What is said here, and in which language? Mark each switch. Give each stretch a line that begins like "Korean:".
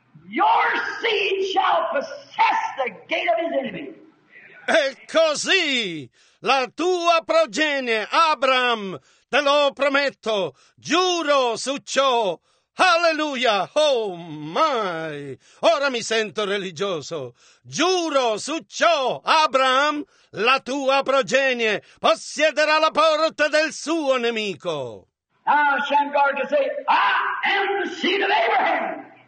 English: Your seed shall possess the gate of his enemy.
Italian: E così la tua progenie, Abram, te lo prometto, giuro su ciò. Alleluia,
English: oh my,
Italian: ora mi sento religioso, giuro su ciò, Abram, la tua progenie possiederà la porta del suo nemico.
English: Now Shamgar can say, I am the seed of Abraham.